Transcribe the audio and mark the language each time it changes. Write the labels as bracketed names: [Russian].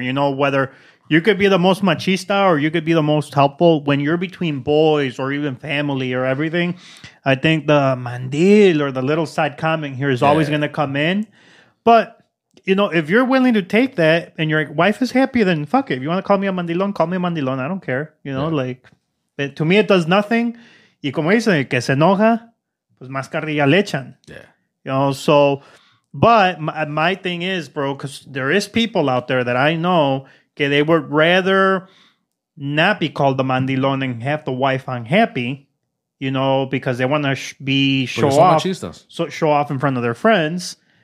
[English] You know, whether you could be the most machista or you could be the most helpful when you're between boys or even family or everything. I think the mandil or the little side comment here is always going to come in. But, you know, if you're willing to take that and your wife is happy, then fuck it. If you want to call me a mandilón, call me a mandilón. I don't care. You know, like, it, to me, it does nothing. [Spanish] Y como dicen, que se enoja, pues más carrilla le echan. [English] Yeah. You know, so, but my thing is, bro, because there is people out there that I know que they would rather not be called the mandilón and have the wife unhappy, you know, because they want to show off in front of their friends.